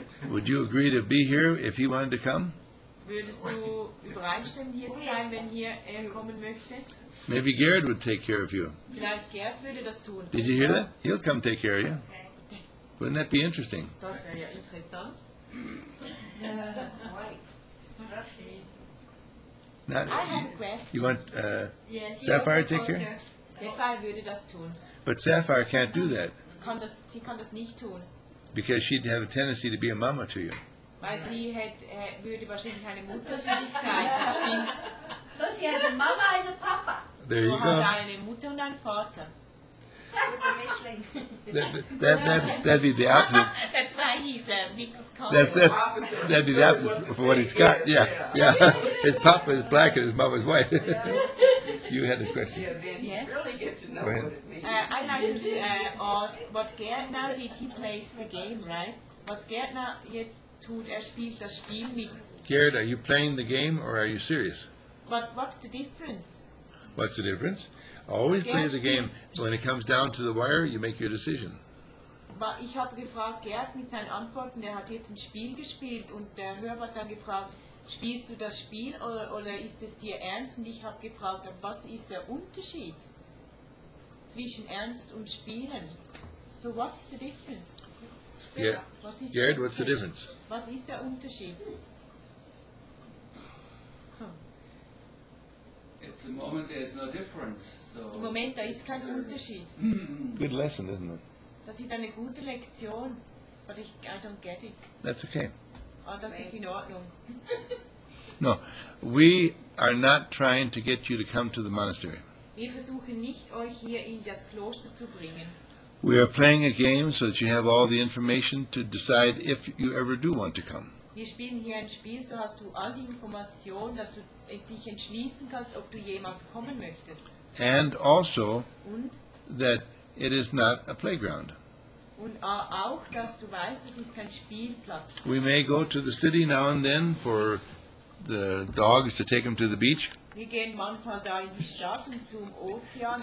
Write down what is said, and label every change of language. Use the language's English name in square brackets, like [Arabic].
[English] Would you agree to be here if he wanted to come? [German] Würdest du übereinstimmen, hier zu sein, wenn er kommen möchte? [English] Maybe Gerd would take care of you. [German] Vielleicht Gerd würde das tun. [English] Did you hear that? He'll come take care of you. Wouldn't that be interesting? [German] Das wäre ja interessant. [English] Not, I have a question. You want yes, Sapphire to take care? [German] Sapphire würde das tun. [English] But Sapphire can't do that. [German] Sie kann das nicht tun. [English] Because she'd have a tendency to be a mama to you. [German] Weil sie würde wahrscheinlich eine Mutter für dich sein. Das stimmt. [English] So she has a mama and a papa. There you go. [German] Du hast eine Mutter und einen Vater. [English] That'd be the opposite. That's why he's a mixed color. That'd be the opposite for what he's got. Yeah, yeah. His papa is black and his mama is white. You had a question. Yes. Really get to know what it means. I'd like to ask what Gärtner did. He plays the game, right? [German] Was Gärtner jetzt tut, spielt das Spiel mit. [English] Gerd, are you playing the game or are you serious? What's the difference? What's the difference? Always play the game. When it comes down to the wire, you make your decision. [German] But ich habe gefragt Gerd mit seinen Antworten. Er hat jetzt ein Spiel gespielt und der Hörer hat dann gefragt: Spielst du das Spiel oder ist es dir ernst? Und ich habe gefragt: Was ist der Unterschied zwischen Ernst und Spielen? [English] So what's the difference? Yeah. [German] Was ist [English] Gerd, what's the difference? [German] Was ist der Unterschied? [English] It's a moment there's no difference. So [German] im Moment, da ist kein Unterschied. [English] Good lesson, isn't it? [German] Das ist eine gute Lektion. [English] But I don't get it. That's okay. [German] Oh, das ist in Ordnung. [English] No, we are not trying to get you to come to the monastery. [German] Wir versuchen nicht, euch hier in das Kloster zu bringen. [English] We are playing a game so that you have all the information to decide if you ever do want to come. [German] Wir spielen hier ein Spiel, so hast du all die Informationen, dass du dich entschließen kannst, ob du jemals kommen möchtest. [English] And also, [German] und? [English] That it is not a playground. [German] Und auch, dass du weißt, es ist kein Spielplatz. [English] We may go to the city now and then for the dogs to take them to the beach. [German] Wir gehen manchmal da in die Stadt und zum Ozean.